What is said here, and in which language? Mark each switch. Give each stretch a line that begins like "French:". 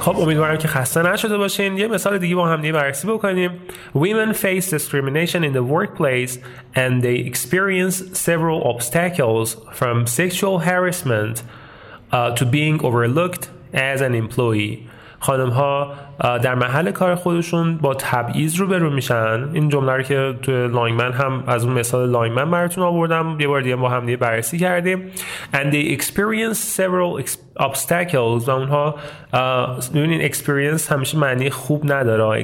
Persian: خب امیدوارم که خسته نشده باشین. یه مثال دیگه با هم دیگه بررسی بکنیم.
English: Women face discrimination in the workplace and they experience several obstacles from sexual harassment to being overlooked as an employee.
Persian: خانم ها در محل کار خودشون با تبعیض روبرو میشن. این جمله رو که توی لاینگمن هم از اون مثال لاینگمن براتون آوردم یه بار دیگه با هم دیگه بررسی کردیم.
English: And they experience several obstacles.
Persian: و اونها این experience همیشه معنی خوب نداره.